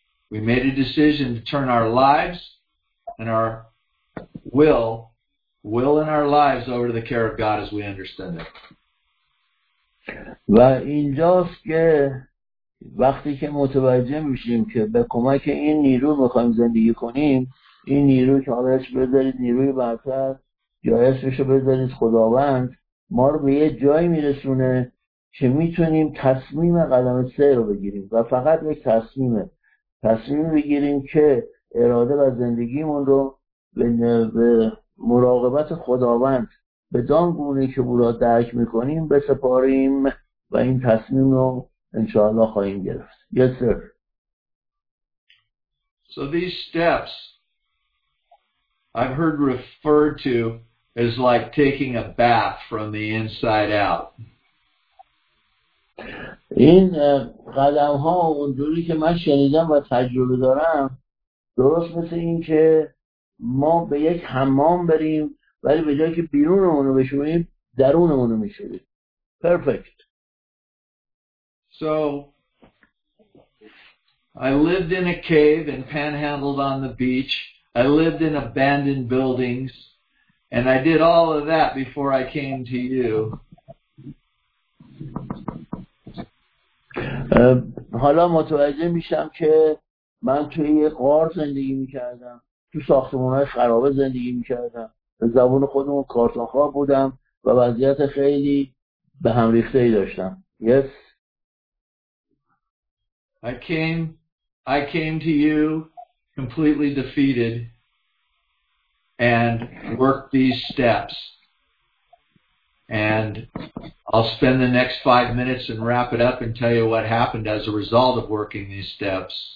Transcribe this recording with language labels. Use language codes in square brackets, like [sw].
[en] We made a decision to turn our lives and our will in our lives over to the care of God as we understand it. [fa] و اینجاست که وقتی که متوجه میشیم که به کمک این نیرو میخوایم زندگی کنیم، این نیرو که حالا اسمش بذارید نیروی برتر یا اسمش بذارید خداوند، ما رو به یه جایی میرسونه که میتونیم تصمیم قدم سه رو بگیریم و فقط یک تصمیمه، تصمیم بگیریم که اراده و زندگیمون رو به مراقبت خداوند به دانگونه که او را درک میکنیم بسپاریم و این تصمیم رو انشاءالله خواهیم گرفت. [en] Yes, sir. So these steps I've heard referred to as like taking a bath from the inside out. [fa] این قدم ها اونجوری که من شنیدم و تجربه دارم درست مثل این که ما به یک حمام بریم ولی به جای که بیرونمون رو بشوریم درونمون رو میشوریم. [en] Perfect. So I lived in a cave and panhandled on the beach. I lived in abandoned buildings and I did all of that before I came to you. [fa] حالا متوجه میشم که من توی یه غار زندگی میکردم، تو ساختمان‌های خرابه زندگی میکردم، به زبون خودمون کارتون‌خواب بودم و وضعیت خیلی به هم ریخته‌ای داشتم. [en] Yes. I came to you completely defeated and worked these steps. And I'll spend the next 5 minutes and wrap it up and tell you what happened as a result of working these steps.